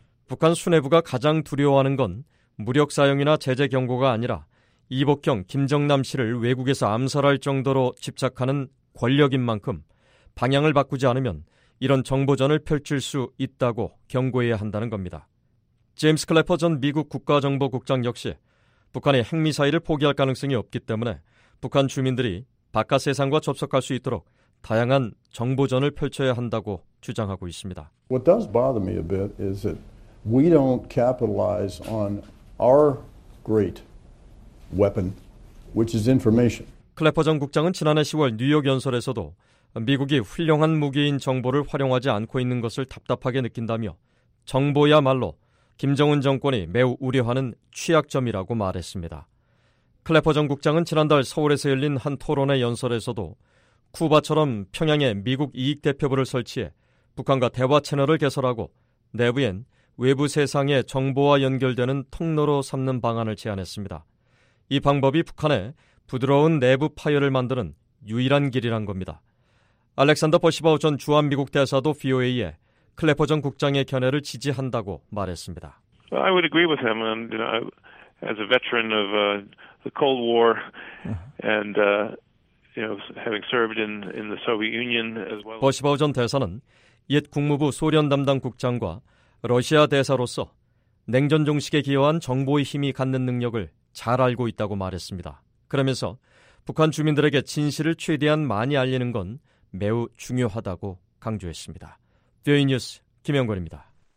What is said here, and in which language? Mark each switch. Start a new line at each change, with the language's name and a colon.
Korean: 북한 수뇌부가 가장 두려워하는 건 무력 사용이나 제재 경고가 아니라 이복경, 김정남 씨를 외국에서 암살할 정도로 집착하는 권력인 만큼 방향을 바꾸지 않으면 이런 정보전을 펼칠 수 있다고 경고해야 한다는 겁니다. 제임스 클래퍼 전 미국 국가정보국장 역시 북한의 핵미사일을 포기할 가능성이 없기 때문에 북한 주민들이 바깥 세상과 접속할 수 있도록 다양한 정보전을 펼쳐야 한다고 주장하고 있습니다.
English: What does bother me a bit is that we don't capitalize on our great weapon, which is information.
Korean: 클래퍼 전 국장은 지난해 10월 뉴욕 연설에서도 미국이 훌륭한 무기인 정보를 활용하지 않고 있는 것을 답답하게 느낀다며 정보야말로 김정은 정권이 매우 우려하는 취약점이라고 말했습니다. 클래퍼 전 국장은 지난달 서울에서 열린 한 토론회 연설에서도 쿠바처럼 평양에 미국 이익대표부를 설치해 북한과 대화 채널을 개설하고 내부엔 외부 세상의 정보와 연결되는 통로로 삼는 방안을 제안했습니다. 이 방법이 북한의 부드러운 내부 파열을 만드는 유일한 길이란 겁니다. 알렉산더 버시바우 전 주한미국 대사도 VOA에 클래퍼 전 국장의 견해를 지지한다고 말했습니다.
English: Well, I would agree with him. And, you know, as a veteran of the Cold War and you know, having served in the Soviet Union as well.
Korean: 버시바우 전 대사는 옛 국무부 소련 담당 국장과 러시아 대사로서 냉전 종식에 기여한 정보의 힘이 갖는 능력을 잘 알고 있다고 말했습니다. 그러면서 북한 주민들에게 진실을 최대한 많이 알리는 건 매우 중요하다고 강조했습니다. 뷰인 뉴스 김영권입니다.